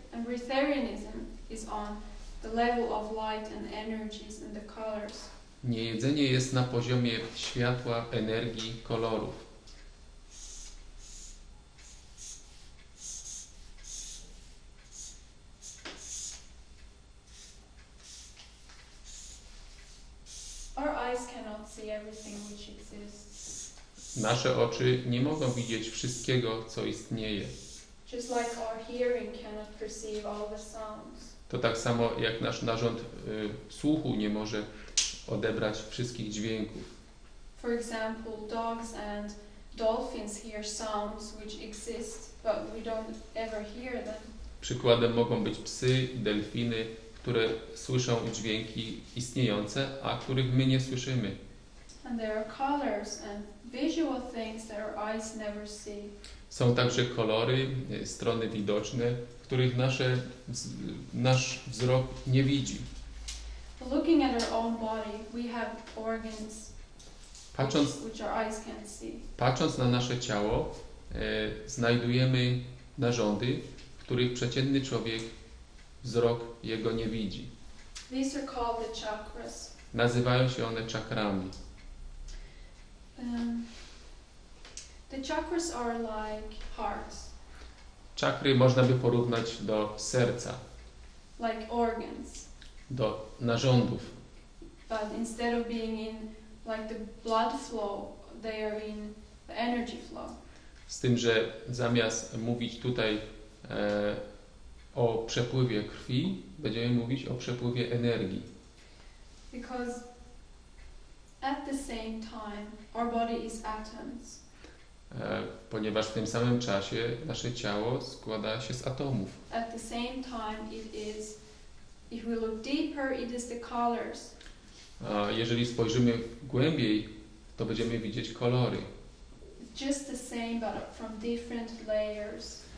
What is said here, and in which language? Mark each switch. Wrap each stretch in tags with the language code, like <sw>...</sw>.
<en>And vegetarianism is on the level of light and energies and the colors.</en> <pl>Niejedzenie jest na poziomie światła, energii, kolorów.</pl> <en>Our eyes cannot see everything which exists.</en> <pl>Nasze oczy nie mogą widzieć wszystkiego, co istnieje.</pl> <en>Just like our hearing cannot perceive all the sounds.</en> <pl>To tak samo jak nasz narząd słuchu nie może odebrać wszystkich dźwięków.</pl> <en>For example, dogs and dolphins hear sounds which exist, but we don't ever hear them.</en> <pl>Przykładem mogą być psy, delfiny, które słyszą dźwięki istniejące, a których my nie słyszymy.</pl> <en>And there are colors and visual things that our eyes never see.</en> <pl>Są także kolory, strony widoczne, których nasz wzrok nie widzi.</pl> <en>Looking at our own body, we have organs which our eyes can't see.</en> <pl>Patrząc na nasze ciało, znajdujemy narządy, których przeciętny człowiek wzrok jego nie widzi.</pl> <en>These are called the chakras.</en> <pl>Nazywają się one czakrami.</pl> <en>The chakras are like hearts.</en> <pl>Czakry można by porównać do serca.</pl> <en>Like organs.</en> <pl>Do narządów.</pl> <en>But instead of being in like the blood flow, they are in the energy flow.</en> <pl>Z tym, że zamiast mówić tutaj o przepływie krwi, będziemy mówić o przepływie energii.</pl> <en>Because at the same time our body is atoms.</en> <pl>Ponieważ w tym samym czasie nasze ciało składa się z atomów.</pl> <en>At the same time it is, if we look deeper, it is the colors.</en> <pl>Jeżeli spojrzymy głębiej, to będziemy widzieć kolory.</pl> <en>Just the same, but from different layers.</en>